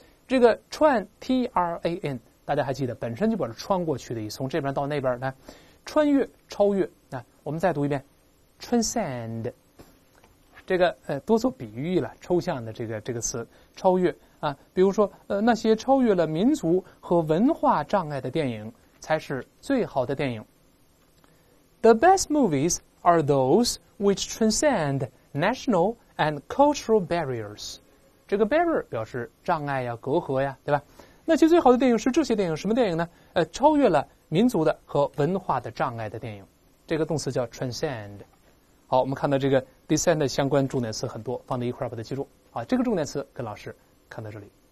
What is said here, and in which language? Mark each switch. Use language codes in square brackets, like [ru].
[zh] 这个 tran t r a n， 大家还记得，本身就表示穿过去的意思，从这边到那边来，穿越、超越。那、我们再读一遍 transcend。这个多做比喻了，抽象的这个词超越啊，比如说那些超越了民族和文化障碍的电影才是最好的电影。 [en] The best movies are those which transcend national and cultural barriers。 [zh] 这个 barrier 表示障碍呀、隔阂呀，对吧？那些最好的电影是这些电影，什么电影呢？超越了民族的和文化的障碍的电影。这个动词叫 transcend。好，我们看到这个 descend 相关重点词很多，放在一块儿把它记住。好，这个重点词跟老师看到这里。